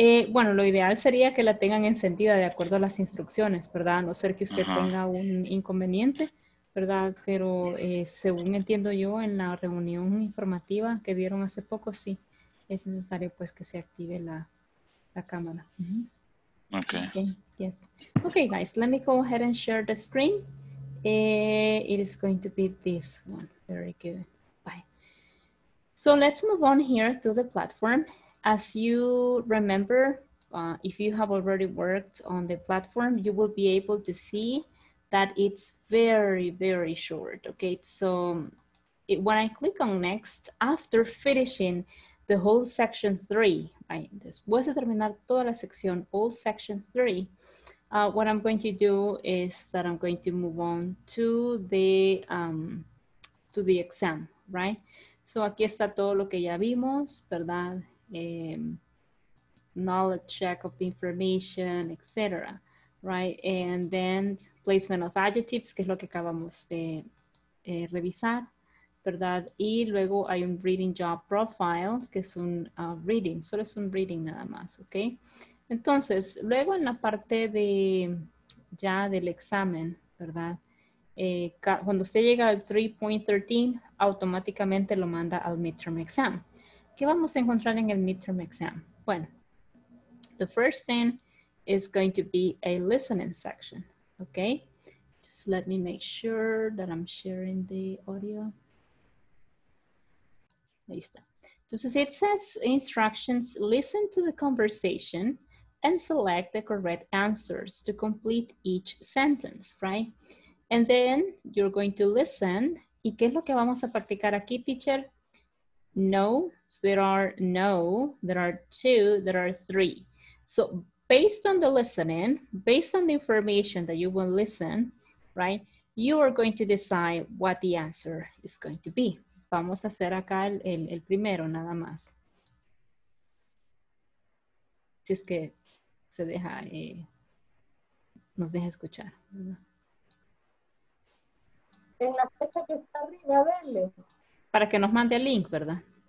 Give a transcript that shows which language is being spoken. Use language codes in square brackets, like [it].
[es] Bueno, lo ideal sería que la tengan encendida de acuerdo a las instrucciones, ¿verdad? A no ser que usted tenga un inconveniente, ¿verdad? Pero según entiendo yo, en la reunión informativa que dieron hace poco, sí, es necesario pues que se active la cámara. [en] Okay. Okay, guys, let me go ahead and share the screen. It is going to be this one. Very good. Bye. So let's move on here to the platform. As you remember, if you have already worked on the platform, you will be able to see that it's very, very short. Okay, so when I click on next, after finishing the whole section three, right? [es] Después de terminar toda la sección, [en] all section three, what I'm going to do is that I'm going to move on to the exam, right? [es] So aquí está todo lo que ya vimos, ¿verdad? [en] Knowledge check of the information, etc. Right, and then placement of adjectives, [es] que es lo que acabamos de revisar, [en] ¿verdad? [es] Y luego hay un reading job profile, que es un reading, solo es un reading nada más, ¿ok? Entonces, luego en la parte de ya del examen, ¿verdad? Cuando usted llega al 3.13, automáticamente lo manda al midterm exam. ¿Qué vamos a encontrar en el midterm exam? [en] Bueno, the first thing is going to be a listening section, okay? Just let me make sure that I'm sharing the audio. [es] Ahí está. Entonces, [en] it says instructions, listen to the conversation and select the correct answers to complete each sentence, right? And then you're going to listen. [es] ¿Y qué es lo que vamos a practicar aquí, teacher? [en] No, so there are no, there are two, there are three. So based on the listening, based on the information that you will listen, right, you are going to decide what the answer is going to be. [es] Vamos a hacer acá el primero, nada más. Si es que se deja, nos deja escuchar. En la fecha que está arriba, dele. Para que nos mande el link, ¿verdad?